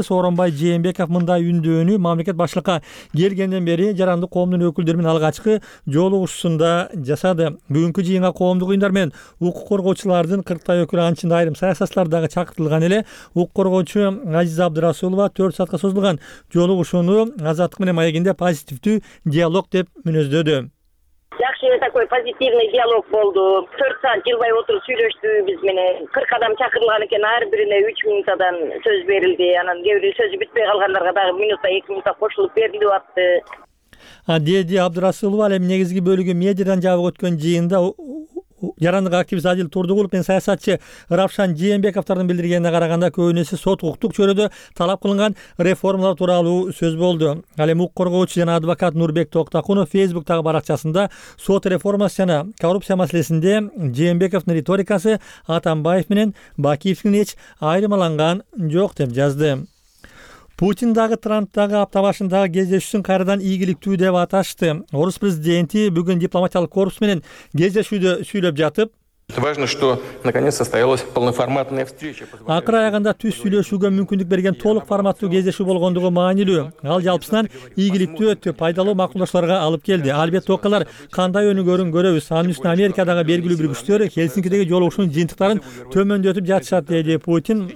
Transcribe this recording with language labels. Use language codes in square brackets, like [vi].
[ky] Сооронбай Жээнбеков мындай үндөөнү мамлекет башчылыкка келгенден бери жарандык коомдун өкүлдөрү менен алгачкы жолугушуусунда жасады. Бүгүнкү жыйынга коомдук уюмдар менен укук коргоочулардын 40 өкүлү, анын ичинде айрым саясатчылар дагы чакыртылган эле. Укук коргоочу Азиза Абдырасулова 4 саатка созулган жолугушууну Азаттык менен маегинде позитивдүү диалог деп мүнөздөдү. [ru] Такой позитивный диалог болду. [ky] 4 саат жылбай отуруп сүйлөштүбүз менен. 40 адам чакырылган экен, ар бирине 3 минутадан сөз берилди. Анан кээ бирөө сөзү бүтпөй калгандарга дагы 1-2 минута кошулуп берилип атты. Деди Абдырасылова. Ал эми негизги бөлүгү медиадан жабык өткөн жыйында жарандык активист Адил Турдугулов менен саясатчы Равшан Жээнбековдордун билдиргенине караганда көбүнесе сот укуктук чөйрөдө талап кылынган реформалар тууралуу сөз болду. Ал эми укук коргоочу жана адвокат Нурбек Токтокунов Facebook-тагы баракчасында сот реформасы жана коррупция маселесинде Жээнбековдун риторикасы Атамбаев менен Бакиевдин эч айырмаланган жок деп жазды. Путин дагы Трамп дагы апта башындагы кездешүүсүн кайрадан ийгиликтүү деп аташты. Орус президенти бүгүн дипломатиялык корпус менен кездешүүдө сүйлөп жатып, [ru] важно, что наконец состоялась полноформатная встреча. [ky] Акыр аягында түз сүйлөшүүгө мүмкүндүк берген толук форматтуу кездешүү болгондугу маанилүү. Ал жалпысынан ийгиликтүү өттү, пайдалуу макулдашууларга алып келди. Албетте, окуялар кандай өнүгөрүн көрөбүз. Анын үстүнө Америкадагы белгилүү бир күчтөр Хельсинкидеги жолугушуунун жыйынтыктарын төмөндөтүп жатышат, деди Путин.